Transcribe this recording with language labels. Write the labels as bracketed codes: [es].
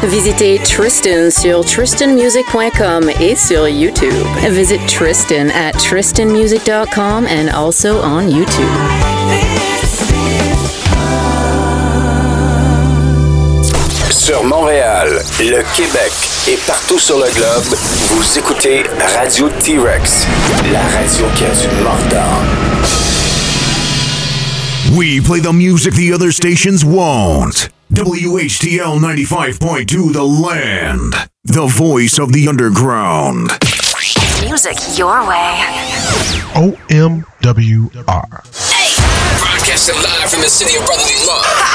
[fr] Visitez Tristan sur tristanmusic.com et sur YouTube. [en] Visit Tristan at tristanmusic.com and also on YouTube. [fr] Sur Montréal, le Québec et partout sur le globe, vous écoutez Radio T-Rex, la radio qui a du mordant. [en] We play the music the other stations won't. WHTL 95.2 The Land, the voice of the underground. Music your way. OMWR. Hey! Broadcasting live from the city of brotherly love.